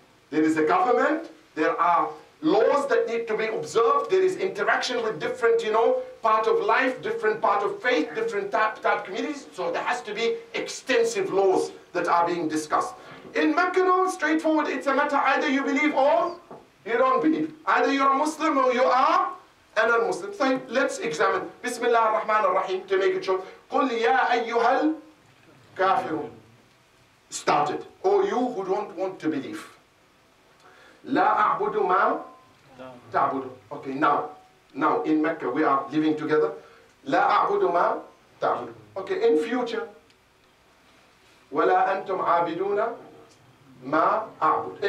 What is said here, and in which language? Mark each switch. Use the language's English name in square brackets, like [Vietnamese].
[English] There is a government, there are laws that need to be observed, there is interaction with different, you know, part of life, different part of faith, different type communities, so there has to be extensive laws that are being discussed. In Mecca, straightforward, it's a matter either you believe or you don't believe. Either you're a Muslim or you are a non-Muslim. So let's examine. [Arabic] Bismillah ar-Rahman ar-Rahim, [English] to make it short. [Arabic] قُلْ يَا أَيُّهَا الْكَافِرُونَ Started. [English] Or you who don't want to believe. [Arabic] La a'budu ma ta'budu. [English] Okay, now in Mecca we are living together. [Arabic] La a'budu ma ta'budu. [English] Okay, in future. [Arabic] Wala antum abiduna ma a'bud.